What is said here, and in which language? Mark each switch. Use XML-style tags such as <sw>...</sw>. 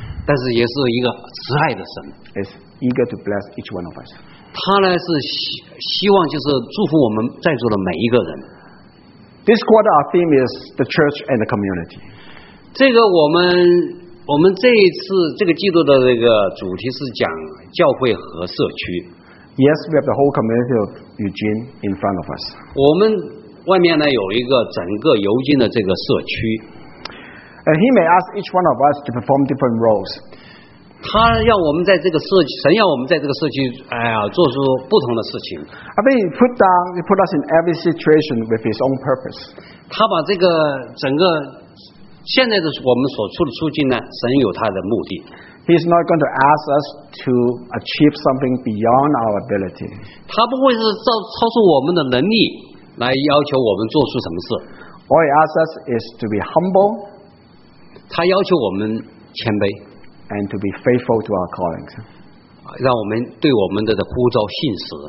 <zh>但是也是一个慈爱的神。</zh> <en>It'seager to bless each one of us.</en> <zh>他呢是希望就是祝福我们在座的每一个人。</zh> <en>This quarter our theme is the church and the community.</en> <zh>这个我们这一次这个季度的这个主题是讲教会和社区。</zh> <en>Yes, we have the whole community of Eugene in front of us.</en> <zh>我们外面呢有一个整个尤金的这个社区。</zh> <en>And he may ask each one of us to perform different roles.</en> <zh>他要我们在这个社区，神要我们在这个社区，做出不同的事情。</zh> <en>I mean, he put us in every situation with his own purpose.</en> <zh>他把这个整个现在的我们所处的处境呢，神有他的目的。</zh> <en>He's not going to ask us to achieve something beyond our ability.</en> <zh>他不会是超出我们的能力来要求我们做出什么事。</zh> <en>All he asks us is to be humble.</en> <zh>他要求我们谦卑。</zh> <en>And to be faithful to our callings.</en> <zh>让我们对我们的呼召信实。</zh>